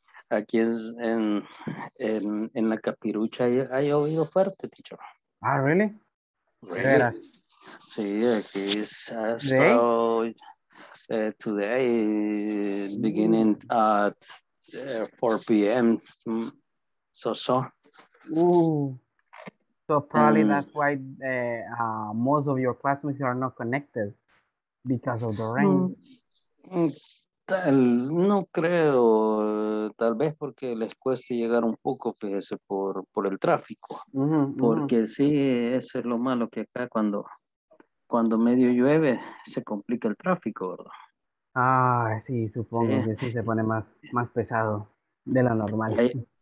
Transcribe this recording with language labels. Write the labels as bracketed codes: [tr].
[es] Aquí es en la capirucha ha llovido fuerte, teacher. [en] Ah, really? [es] Sí, aquí es hasta [en] today, beginning at 4 p.m. So. So probably that's why most of your classmates are not connected because of the rain. [es] No creo, tal vez porque les cueste llegar un poco, fíjese, por el tráfico. Porque sí, eso es lo malo, que acá cuando medio llueve, se complica el tráfico, ¿verdad? Ah, sí, supongo que sí, se pone más pesado de lo normal.